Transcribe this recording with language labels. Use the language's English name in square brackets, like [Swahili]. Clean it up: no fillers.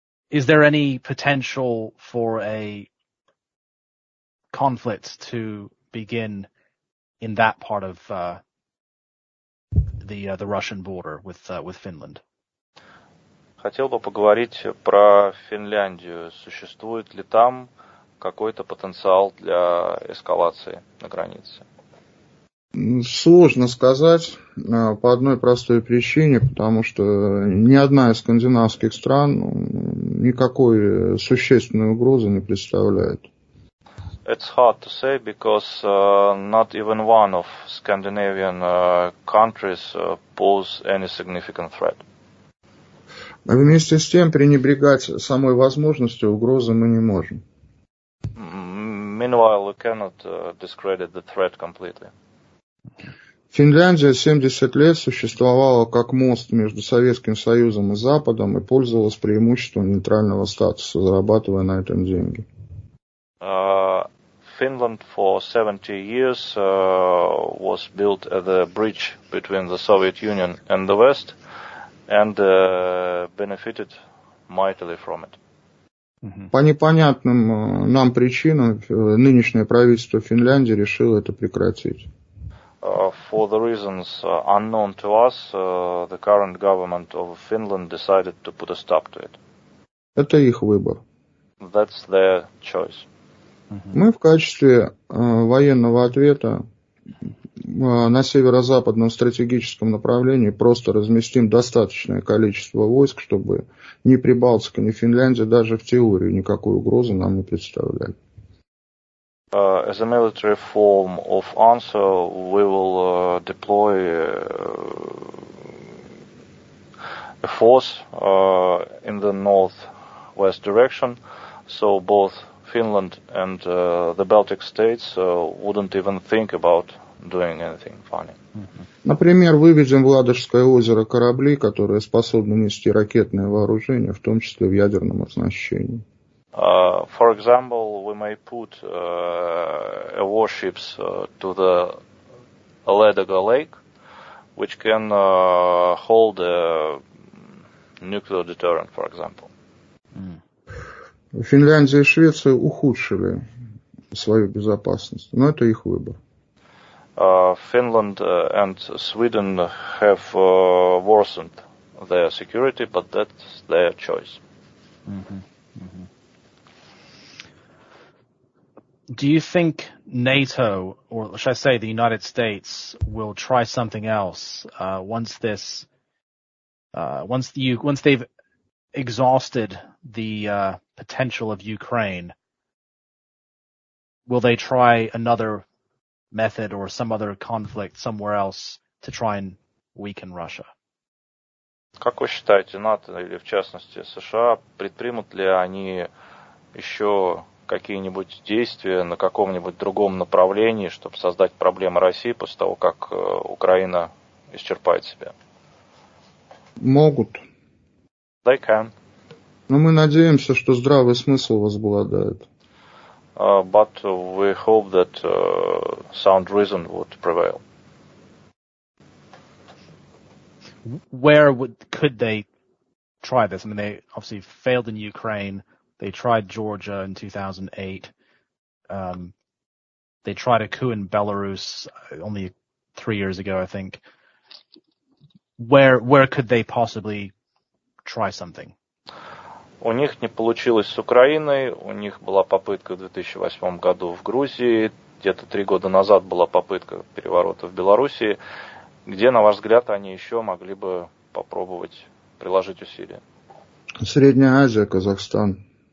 [English] Is there any potential for a conflict to begin in that part of the Russian border with Finland? [Russian] Хотел бы поговорить про Финляндию. Существует ли там какой-то потенциал для эскалации на границе? Сложно сказать по одной простой причине, потому что ни одна из скандинавских стран никакой существенной угрозы не представляет. [English] It's hard to say because not even one of Scandinavian countries pose any significant threat. [Russian] Вместе с тем, пренебрегать самой возможностью угрозы мы не можем. [English] Meanwhile, we cannot discredit the threat completely. [Russian] Финляндия 70 лет существовала как мост между Советским Союзом и Западом и пользовалась преимуществом нейтрального статуса, зарабатывая на этом деньги. [English] Finland for 70 years was built as a bridge between the Soviet Union and the West and benefited mightily from it. [Russian] По непонятным нам причинам нынешнее правительство Финляндии решило это прекратить. [English] For the reasons unknown to us, the current government of Finland decided to put a stop to it. [Russian] Это их выбор. [English] That's their choice. [Russian] Мы в качестве военного ответа на северо-западном стратегическом направлении просто разместим достаточное количество войск, чтобы ни Прибалтика, ни Финляндия даже в теории никакой угрозы нам не представляли. [English] As a military form of answer, we will deploy a force in the northwest direction, so both Finland and the Baltic states wouldn't even think about doing anything funny. [Russian] Например, выведем в Ладожское озеро корабли, которые способны нести ракетное вооружение, в том числе в ядерном оснащении. [English] For example, we may put warships to the Ladoga Lake, which can hold a nuclear deterrent, for example. [Russian] Финляндия и Швеция ухудшили свою безопасность, но это их выбор. [English] Finland and Sweden have worsened their security, but that's their choice. Do you think NATO, or should I say the United States, will try something else once they've exhausted the potential of Ukraine? Will they try another method or some other conflict somewhere else to try and weaken Russia? [Russian] Как вы считаете, НАТО или в частности США предпримут ли они еще какие-нибудь действия на каком-нибудь другом направлении, чтобы создать проблемы России после того, как Украина исчерпает себя? Могут. [English] They can. [Russian] Но мы надеемся, что здравый смысл возобладает. [English] But we hope that sound reason would prevail. Where could they try this? I mean, they obviously failed in Ukraine. They tried Georgia in 2008. They tried a coup in Belarus only 3 years ago, I think. Where could they possibly try something? [Russian] У них не получилось с Украиной, у них была попытка в 2008 году в Грузии, где-то 3 года назад была попытка переворота в Белоруссии. Где, на ваш взгляд, они еще могли бы попробовать приложить усилия? Средняя Азия, Казахстан.